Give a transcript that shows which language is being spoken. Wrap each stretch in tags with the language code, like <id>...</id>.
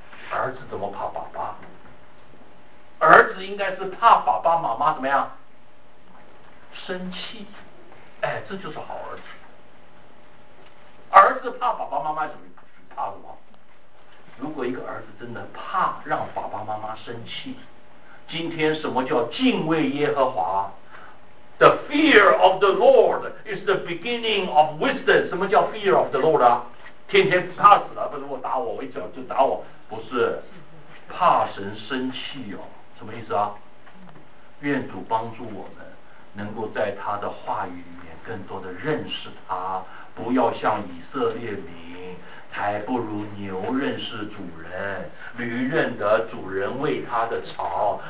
<zh>儿子怎么怕爸爸？儿子应该是怕爸爸妈妈怎么样生气？哎，这就是好儿子。儿子怕爸爸妈妈怎么怕什么？如果一个儿子真的怕让爸爸妈妈生气，今天什么叫敬畏耶和华？</zh> <en>The fear of the Lord is the beginning of wisdom.</en> <zh>什么叫</zh> <en>fear of the Lord</en> <zh>啊？天天怕死了，不是我打我，我一脚就打我，不是，怕神生气哦，什么意思啊？愿主帮助我们，能够在他的话语里面更多的认识他，不要像以色列民，还不如牛认识主人，驴认得主人喂他的草。</zh>